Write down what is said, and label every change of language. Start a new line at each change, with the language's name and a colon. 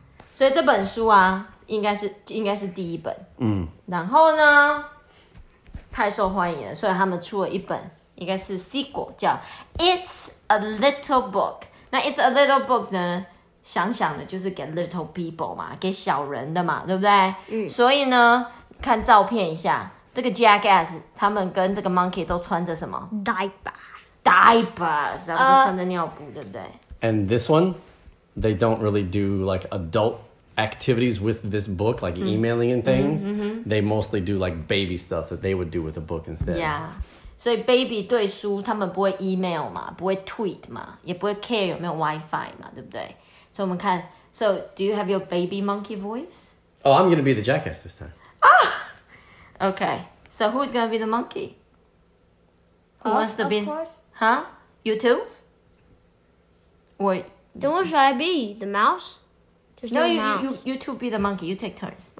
Chinese: 所以这本书啊，应该是第一本。然后呢， 太受欢迎了，所以他们出了一本。一个是sequel叫 It's a Little Book. 那 It's a Little Book 呢，想想的就是给 Little People 嘛，给小人的嘛，对不对？所以呢，看照片一下，这个 Jackass 他们跟这个 Monkey 都穿着什么
English: diapers，
Chinese: 然后穿着尿布，对不对
English: ？And this one, they don't really do like adult activities with this book, like emailing and things. They mostly do like baby stuff that they would do with a book instead. Yeah.
Chinese: 所以 baby 对书，他们不会 email 嘛，不会 tweet 嘛，也不会 care 有没有 WiFi 嘛，对不对？所以我们看，
English: so do you have your baby monkey voice? Oh, I'm gonna be the jackass this time. Ah, okay. So who's gonna be the monkey? Who us, wants to of be? Course. Huh? You too? Wait. Then what should I be? The mouse? There's no, you two be the monkey. You take turns.